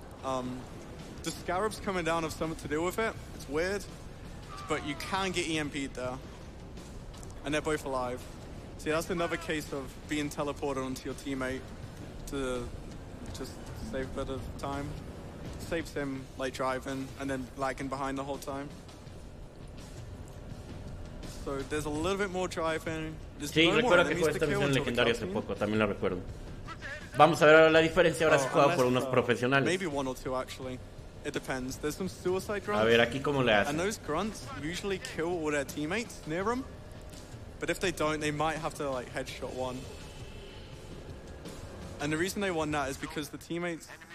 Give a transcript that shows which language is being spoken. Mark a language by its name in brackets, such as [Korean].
[English] The scarabs coming down have something to do with it. It's weird, but you can get EMP'd there, and they're both alive. See, that's another case of being teleported onto your teammate to just save a bit of time. Saves him like driving and then lagging behind the whole time. So there's a little bit more driving. There's [Spanish] sí, no recuerdo more que fue esta misión en legendario hace poco, también lo recuerdo. Vamos a ver ahora la diferencia, ahora se juega por unos profesionales. [English] Maybe one or two actually. It depends. There's some suicide grunts. [Spanish] A ver, aquí cómo le hace. [English] And those grunts usually kill all their teammates near them. But if they don't, they might have to like headshot one. And the reason they won that is because the teammates